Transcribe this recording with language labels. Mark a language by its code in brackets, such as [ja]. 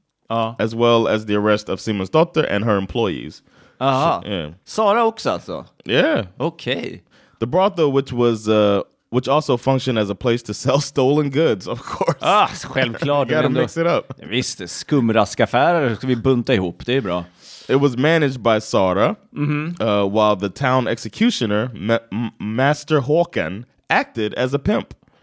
[en] As well as the arrest of Simon's daughter and her employees. Aha. So, yeah. [sv] Sara också alltså. [en] Yeah. Okay. The brothel, which was which also functioned as a place to sell stolen goods, of course. [sv] Ah, självklart. [en] Gotta mix it up. [sv] Visst, skumraskaffärer ska vi bunta ihop, det är bra. [en] It was managed by Sara, mm-hmm, while the town executioner, Master Håkan, acted as a pimp.